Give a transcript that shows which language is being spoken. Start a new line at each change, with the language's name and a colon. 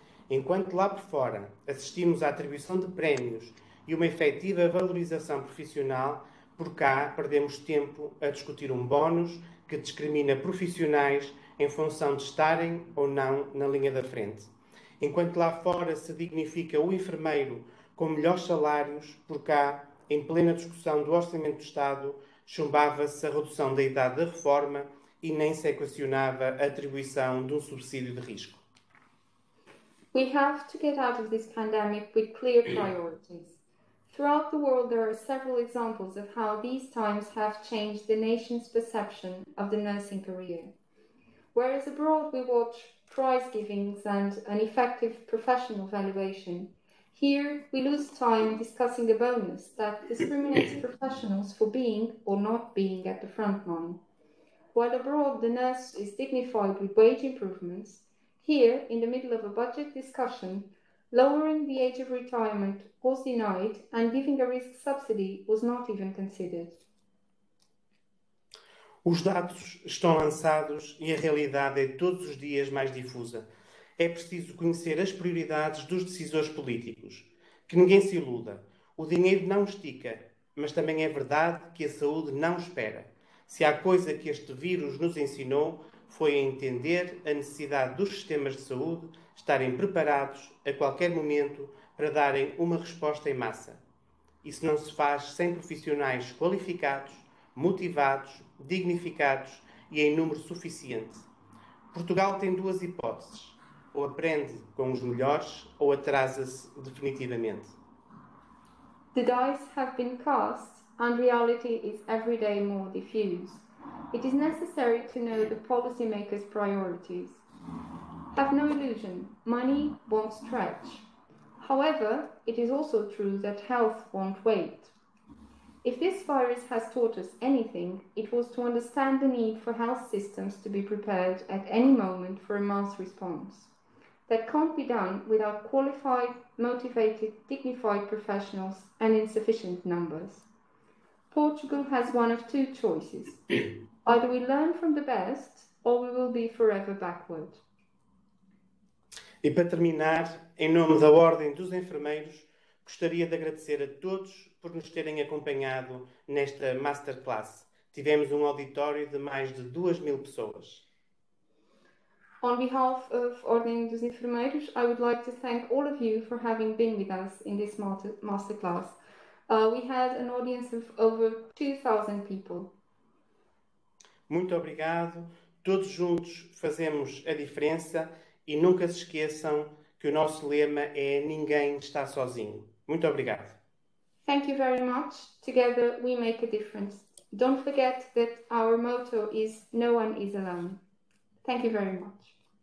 Portuguese: Enquanto lá por fora assistimos à atribuição de prémios e uma efetiva valorização profissional, por cá perdemos tempo a discutir um bónus que discrimina profissionais em função de estarem ou não na linha da frente. Enquanto lá fora se dignifica o enfermeiro com melhores salários, por cá, em plena discussão do Orçamento do Estado, chumbava-se a redução da idade da reforma e nem se equacionava a atribuição de um subsídio de risco.
English: We have to get out of this pandemic with clear priorities. Throughout the world, there are several examples of how these times have changed the nation's perception of the nursing career. Whereas abroad we watch prize givings and an effective professional valuation, here we lose time discussing a bonus that discriminates professionals for being or not being at the front line. While abroad the nurse is dignified with wage improvements, here, in the middle of a budget discussion, lowering the age of retirement was denied and giving a risk subsidy was not even considered.
Portuguese: Os dados estão lançados e a realidade é todos os dias mais difusa. É preciso conhecer as prioridades dos decisores políticos. Que ninguém se iluda. O dinheiro não estica, mas também é verdade que a saúde não espera. Se há coisa que este vírus nos ensinou, foi a entender a necessidade dos sistemas de saúde estarem preparados a qualquer momento para darem uma resposta em massa. Isso não se faz sem profissionais qualificados, motivados, dignificados e em número suficiente. Portugal tem duas hipóteses. Ou aprende com os melhores ou atrasa-se definitivamente.
English: The dice have been cast and reality is every day more diffuse. It is necessary to know the policymakers' priorities. Have no illusion, money won't stretch. However, it is also true that health won't wait. If this virus has taught us anything, it was to understand the need for health systems to be prepared at any moment for a mass response. That can't be done without qualified, motivated, dignified professionals and insufficient numbers. Portugal has one of two choices. Either we learn from the best or we will be forever backward.
Portuguese: E para terminar, em nome da Ordem dos Enfermeiros, gostaria de agradecer a todos por nos terem acompanhado nesta masterclass. Tivemos auditório de mais de 2,000 pessoas.
English: On behalf of Ordem dos Enfermeiros, I would like to thank all of you for having been with us in this masterclass. We had an audience of over 2,000 people.
Portuguese: Muito obrigado. Todos juntos fazemos a diferença e nunca se esqueçam que o nosso lema é ninguém está sozinho. Muito obrigado.
English: Thank you very much. Together we make a difference. Don't forget that our motto is no one is alone. Thank you very much.